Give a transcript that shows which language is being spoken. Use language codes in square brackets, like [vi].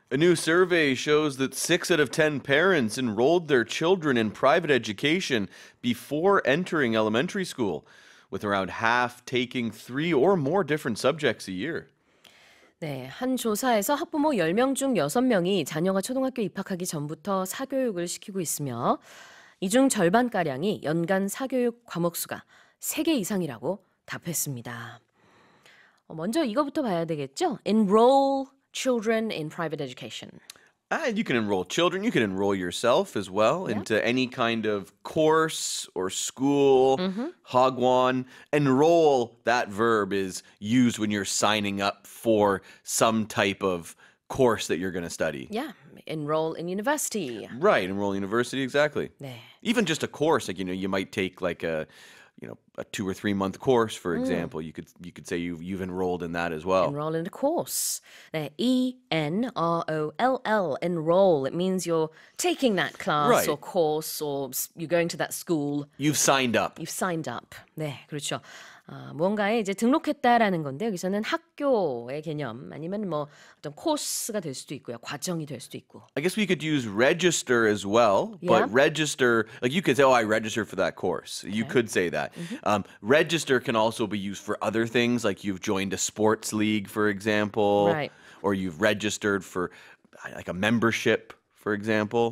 [en] A new survey shows that 6 out of 10 parents enrolled their children in private education before entering elementary school, with around half taking 3 or more different subjects a year. [ko] 네, 한 조사에서 학부모 10명 중 6명이 자녀가 초등학교 입학하기 전부터 사교육을 시키고 있으며, 이 중 절반가량이 연간 사교육 과목수가 3개 이상이라고 답했습니다. 먼저 이거부터 봐야 되겠죠? [en] Enroll children in private education. You can enroll children. You can enroll yourself as well into any kind of course or school. Hagwon. Enroll, that verb is used when you're signing up for some type of course that you're going to study. Yeah, enroll in university. Right, enroll in university, exactly. [ko] 네. [en] Even just a course, like, you know, you might take like a, you know, a 2 or 3 month course, for example, you could say you've enrolled in that as well. Enroll in a course. 네, E-N-R-O-L-L, enroll. It means you're taking that class right. or course or you're going to that school. You've signed up. [ko] 네, 그렇죠. 무언가에 이제 등록했다라는 건데 여기서는 학교의 개념 아니면 뭐 어떤 코스가 될 수도 있고요. 과정이 될 수도 있고. [en] I guess we could use register as well. Yeah. But register, like you could say, oh, I registered for that course. Okay. You could say that. Mm-hmm. Register can also be used for other things, like you've joined a sports league, for example. Right. Or you've registered for like a membership, for example.